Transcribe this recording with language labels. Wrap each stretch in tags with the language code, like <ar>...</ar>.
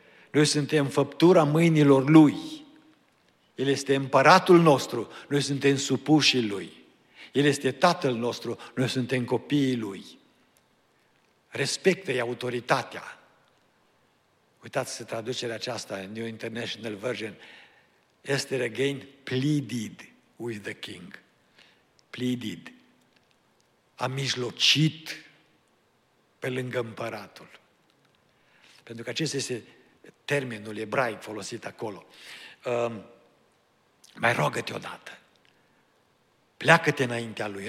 <ro>Noi suntem făptura mâinilor Lui. El este împăratul nostru, noi suntem supușii Lui. El este tatăl nostru, noi suntem copiii Lui. Respectă-i autoritatea. Uitați-se traducerea aceasta, New International Version.</ro> <en>Esther again pleaded with the king. Pleaded.</en> <ro>A mijlocit pe lângă împăratul. Pentru că acesta este termenul ebraic folosit acolo. Mai rogă-te odată. Pleacă-te înaintea lui.</ro>